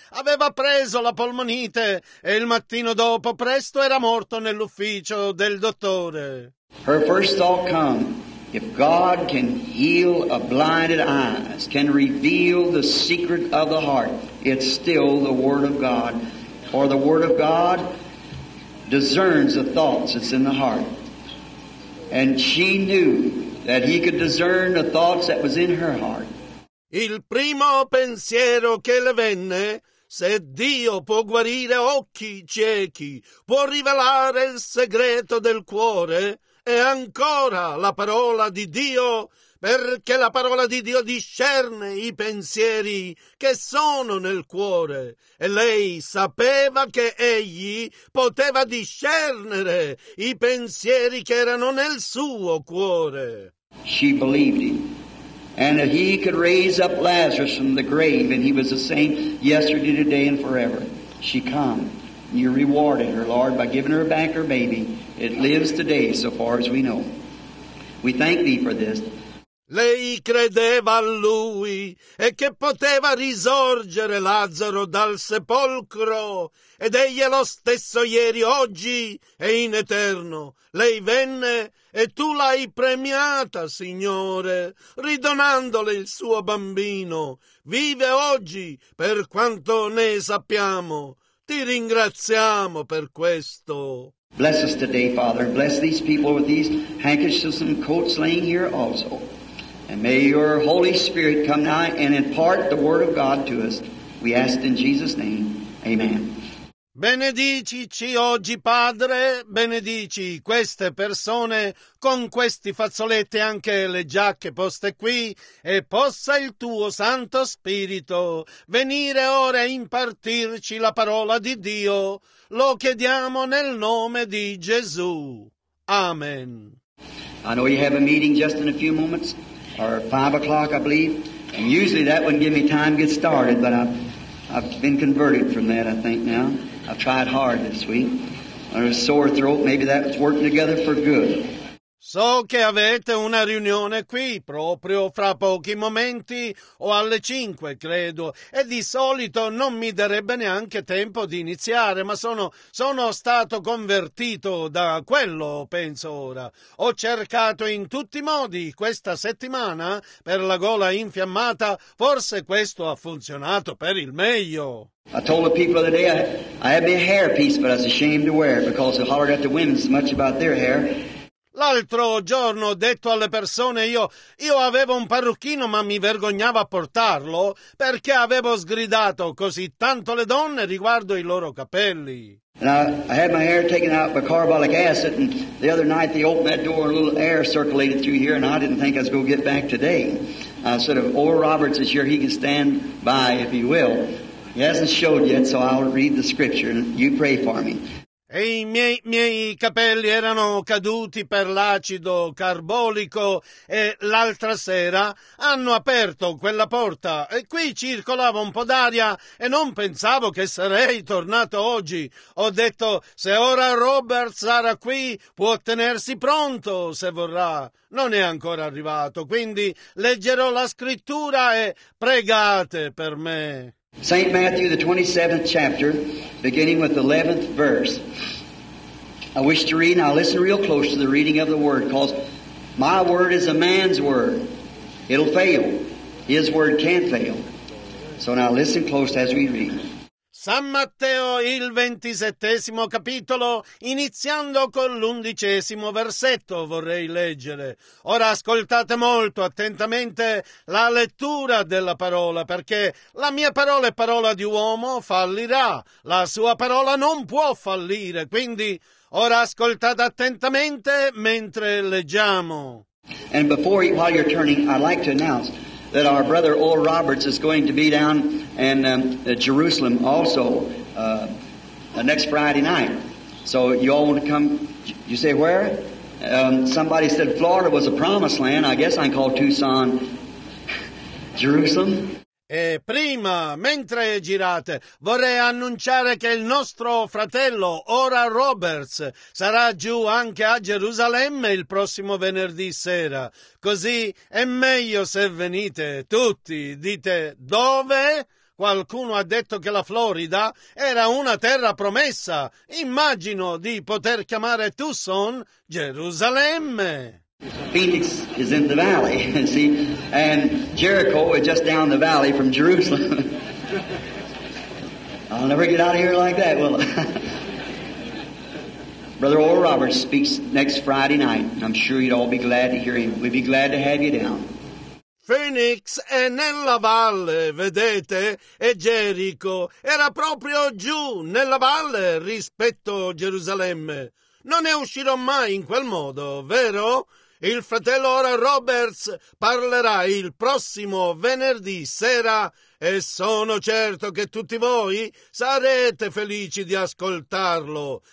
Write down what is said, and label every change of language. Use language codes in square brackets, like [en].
[it] Aveva preso la polmonite e il mattino dopo presto era morto nell'ufficio del dottore. [en] Her first thought come. If God can heal a blinded eyes, can reveal the secret of the heart, it's still the Word of God. For the Word of God discerns the thoughts that's in the heart. And she knew that he could discern the thoughts that was in her heart. [it] Il primo pensiero che le venne, se Dio può guarire occhi ciechi, può rivelare il segreto del cuore, e ancora la parola di Dio, perché la parola di Dio discerne i pensieri che sono nel cuore. E lei sapeva che egli poteva discernere i pensieri che erano nel suo cuore. [en] She believed him. And that he could raise up Lazarus from the grave, and he was the same yesterday, today, and forever. She come. You rewarded her, Lord, by giving her back her baby. It lives today, so far as we know. We thank thee for this. [it] Lei credeva a lui e che poteva risorgere Lazzaro dal sepolcro, ed egli è lo stesso ieri, oggi e in eterno. Lei venne e tu l'hai premiata, Signore, ridonandole il suo bambino. Vive oggi, per quanto ne sappiamo. Ti ringraziamo per questo. [en] Bless us today, Father, and bless these people with these handkerchiefs and coats laying here also. And may your Holy Spirit come now and impart the Word of God to us. We ask in Jesus' name. Amen. [it] Benedicici oggi, Padre, benedici queste persone con questi fazzoletti, anche le giacche poste qui, e possa il tuo Santo Spirito venire ora a impartirci la parola di Dio. Lo chiediamo nel nome di Gesù. Amen. [en] I know you have a meeting just in a few moments, or 5 o'clock, I believe, and usually that wouldn't give me time to get started, but I've been converted from that, I think, now. I've tried hard this week. I have a sore throat. Maybe that's working together for good. [it] So che avete una riunione qui proprio fra pochi momenti, o alle 5, credo, e di solito non mi darebbe neanche tempo di iniziare, ma sono stato convertito da quello, penso ora. Ho cercato in tutti i modi questa settimana per la gola infiammata, forse questo ha funzionato per il meglio. [en] I told the people the other day I had my hair piece, but I was ashamed to wear it because I hollered at the women so much about their hair. [it] L'altro giorno ho detto alle persone, io avevo un parrucchino ma mi vergognavo a portarlo perché avevo sgridato così tanto le donne riguardo i loro capelli. [en] I had my hair taken out by carbolic acid, and the other night they opened that door and a little air circulated through here, and I didn't think I was going to get back today. I said, old Roberts is here, he can stand by if he will. He hasn't showed yet, so I'll read the scripture and you pray for me. [it] E i miei capelli erano caduti per l'acido carbolico, e l'altra sera hanno aperto quella porta e qui circolava un po' d'aria e non pensavo che sarei tornato oggi. Ho detto, se ora Robert sarà qui può tenersi pronto se vorrà. Non è ancora arrivato, quindi leggerò la scrittura e pregate per me. [en] St. Matthew, the 27th chapter, beginning with the 11th verse. I wish to read, now listen real close to the reading of the Word, because my Word is a man's Word. It'll fail. His Word can't fail. So now listen close as we read. [it] San Matteo, il 27° capitolo, iniziando con l'11° versetto, vorrei leggere. Ora ascoltate molto attentamente la lettura della parola, perché la mia parola è parola di uomo, fallirà. La sua parola non può fallire, quindi ora ascoltate attentamente mentre leggiamo. [en] And before, while you're turning, I'd like to announce that our brother Oral Roberts is going to be down in Jerusalem also next Friday night. So you all want to come? You say where? Somebody said Florida was a promised land. I guess I can call Tucson Jerusalem. [it] E prima, mentre girate, vorrei annunciare che il nostro fratello Oral Roberts sarà giù anche a Gerusalemme il prossimo venerdì sera. Così è meglio se venite tutti. Dite dove? Qualcuno ha detto che la Florida era una terra promessa. Immagino di poter chiamare Tucson Gerusalemme. [en] Phoenix is in the valley, see, and Jericho is just down the valley from Jerusalem. I'll never get out of here like that, will I? Brother Oral Roberts speaks next Friday night, and I'm sure you'd all be glad to hear him. We'd be glad to have you down. [it] Phoenix è nella valle, vedete, e Gerico era proprio giù nella valle rispetto a Gerusalemme. Non ne uscirò mai in quel modo, vero? Il fratello Oral Roberts parlerà il prossimo venerdì sera e sono certo che tutti voi sarete felici di ascoltarlo.